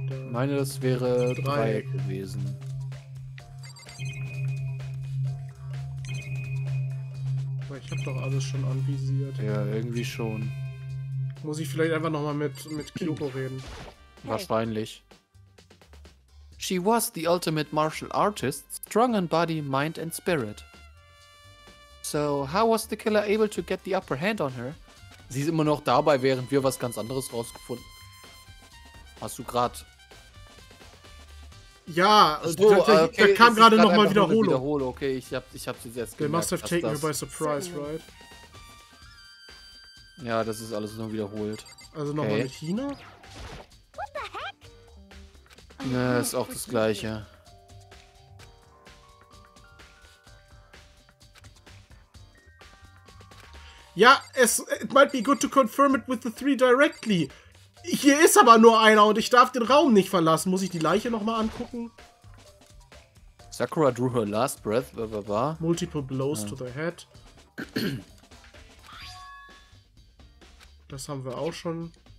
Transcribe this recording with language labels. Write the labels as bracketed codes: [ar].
[de] Meine, das wäre 3 gewesen. Ich hab doch alles schon anvisiert. Ja, irgendwie schon. Muss ich vielleicht einfach nochmal mit Kyoko reden? Wahrscheinlich. [en] She was the ultimate martial artist, strong in body, mind and spirit. So, how was the killer able to get the upper hand on her? [de] Sie ist immer noch dabei, während wir was ganz anderes rausgefunden. Hast du grad... Ja, so, da kam gerade nochmal Wiederholung. Wiederholung, okay, ich hab sie jetzt gemerkt. [en] They must have taken her by surprise, right? [de] Ja, das ist alles nur wiederholt. Also nochmal mit Hina? Ne, ist auch das Gleiche. [en] Ja, it might be good to confirm it with the three directly. [de] Hier ist aber nur einer und ich darf den Raum nicht verlassen. Muss ich die Leiche nochmal angucken? [en] Sakura drew her last breath, blah, blah, blah. Multiple blows to the head. [de] Das haben wir auch schon.